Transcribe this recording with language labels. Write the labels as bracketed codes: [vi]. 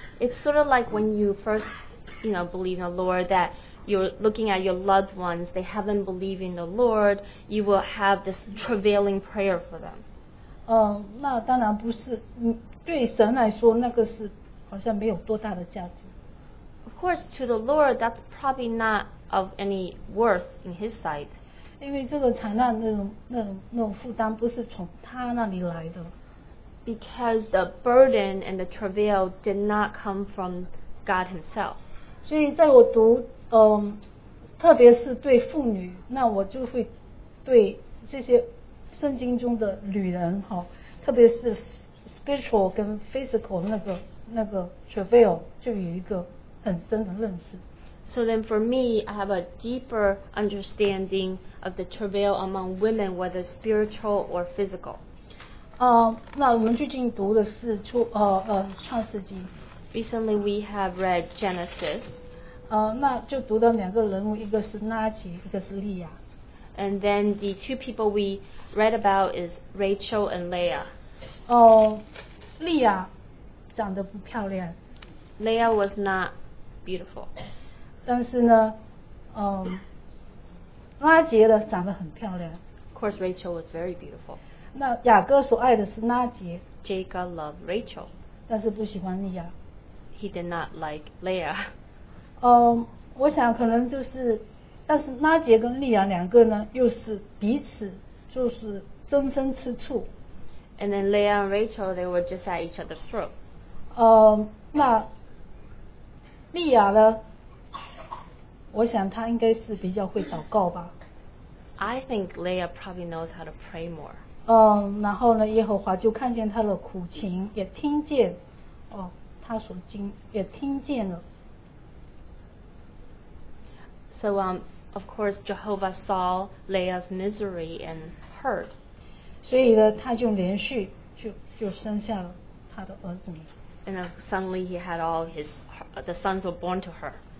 [en] It's sort of like when you first, you know, believe in the Lord that you're looking at your loved ones, they haven't believed in the Lord, you will have this travailing prayer for them. [zh] 那当然不是，对神来说那个是好像没有多大的价值。 [en] Of course, to the Lord, that's probably not of any worth in His sight. [zh] 因为这个惨难那种负担不是从他那里来的。 [en] Because the burden and the travail did not come from God Himself. [zh] 所以在我读特别是对妇女，那我就会对这些圣经中的女人哈，特别是 [en] spiritual [zh] 跟 [en] physical [zh] 那个 [en] travail [zh] 就有一个很深的认识。 [en] So then for me, I have a deeper understanding of the travail among women, whether spiritual or physical. [zh] 那我们最近读的是创世纪。 [en] Recently, we have read Genesis. [zh] 那就读到两个人物，一个是拉结，一个是利亚。 [en] And then the two people we read about is Rachel and Leah. [zh] 利亚长得不漂亮。 [en] Leah was not beautiful. [zh] 但是呢，拉结的长得很漂亮。 [en] Of course, Rachel was very beautiful. [zh] 那雅各所爱的是拉结。 [en] Jacob loved Rachel. [zh] 但是不喜欢利亚。 [en] He did not like Leah. [zh] 我想可能就是。但是拉结跟利亚两个呢，又是彼此就是争风吃醋。 [en] And then Leah and Rachel, they were just at each other's throat. [zh] 那利亚呢？我想她应该是比较会祷告吧。 [en] I think Leah probably knows how to pray more. [zh] 然后呢，耶和华就看见她的苦情，也听见她所经也听见了。 [en] So, of course, Jehovah saw Leah's misery and heard. [zh] 所以呢，他就连续就生下了他的儿子。 [en] And suddenly he had all his, the sons were born to her.